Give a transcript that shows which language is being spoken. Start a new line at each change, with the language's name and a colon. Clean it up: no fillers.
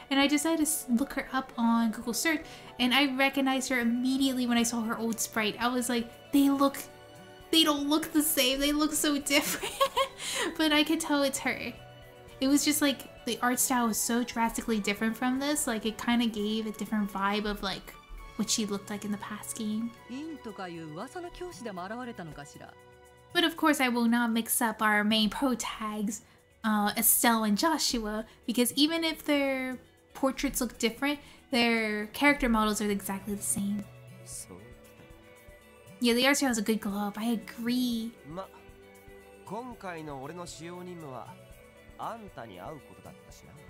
English: And I decided to look her up on Google search, and I recognized her immediately when I saw her old sprite. I was like, they don't look the same. They look so different. But I could tell it's her. It was just like, the art style was so drastically different from this. Like, it kind of gave a different vibe of, like,What she looked like in the past game.
Japanese: インとかいう噂の教師でも現れたのかしら。
English: But of course, I will not mix up our main pro tags, Estelle and Joshua, because even if their portraits look different, their character models are exactly the same.
Japanese: そう。
English: Yeah, the art style is a good glow up. I agree.
Japanese: ま、今回の俺の主要任務は、あんたに会うことだったしな。